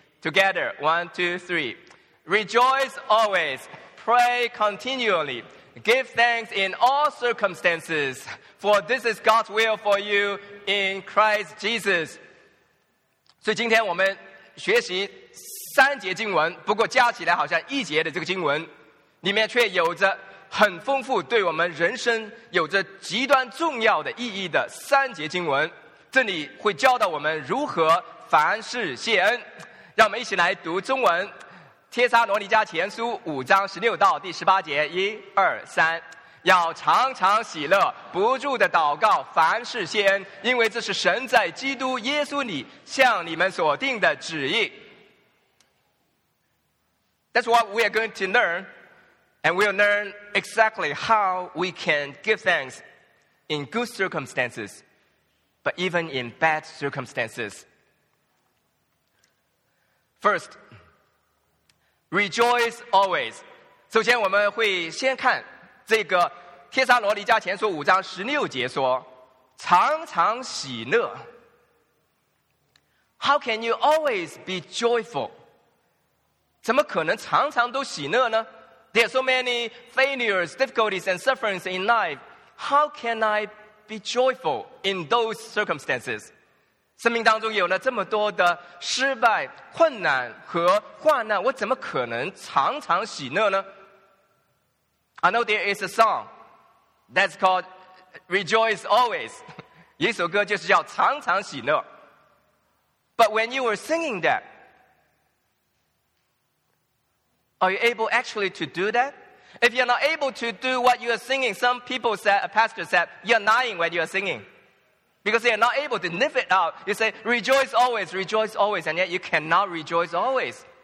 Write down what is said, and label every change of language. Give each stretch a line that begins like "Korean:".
English: Together, 1, 2, 3. Rejoice always, pray continually, give thanks in all circumstances, for this is God's will for you in Christ Jesus.
Chinese: 所以今天我们学习三节经文，不过加起来好像一节的这个经文，里面却有着很丰富，对我们人生有着极端重要的意义的三节经文。这里会教导我们如何凡事谢恩。让我们一起来读中文，帖撒罗尼迦前书五章十六到第十八节，一二三，要常常喜乐，不住的祷告，凡事谢恩，因为这是神在基督耶稣里向你们所定的旨意。
English: That's what we are going to learn, and we'll learn exactly how we can give thanks in good circumstances, but even in bad circumstances. First, rejoice always.
Chinese: 首先我们会先看这个帖撒罗尼迦前书五章十六节说，常常喜乐。
English: How can you always be joyful?
Chinese: 怎么可能常常都喜乐呢？
English: There are so many failures, difficulties and sufferings in life. How can I be joyful in those circumstances?
Chinese: 生命当中有了这么多的失败、困难和患难，我怎么可能常常喜乐呢？
English: I know there is a song that's called Rejoice Always.
Chinese: 一首歌就是叫常常喜乐。
English: But when you were singing that, are you able actually to do that? If you're not able to do what you are singing, some people said, a pastor said, you're lying when you are singing. Because you're not able to live it out. You say, rejoice always, and yet you cannot rejoice always.